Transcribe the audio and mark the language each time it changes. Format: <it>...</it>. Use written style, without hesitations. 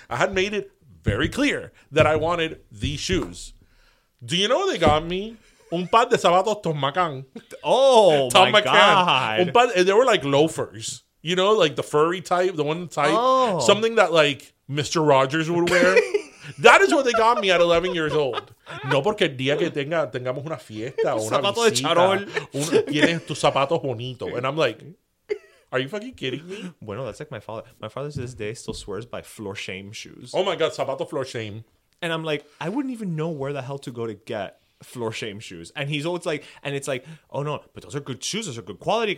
<en>I had made it very clear that I wanted these shoes. Do you know what they got me?</en> <es>Un par de zapatos</es> <en>Tom McCann. They were like loafers, you know, like the furry type, the one type, something that like Mr. Rogers would wear. That is what they got me at 11 years old.</en> <es>No, porque el día que tengamos una fiesta o una visita, de charol. Tienes tus zapatos bonitos.</es> <en>And I'm like, are you fucking kidding me?</en> <es>Bueno,</es> <en>that's like my father. My father to this day still swears by floor shame shoes. Oh my God, zapato floor shame. And I'm like, I wouldn't even know where the hell to go to get floor shame shoes. And he's always like, and it's like, oh no, but those are good shoes. Those are good quality.</en>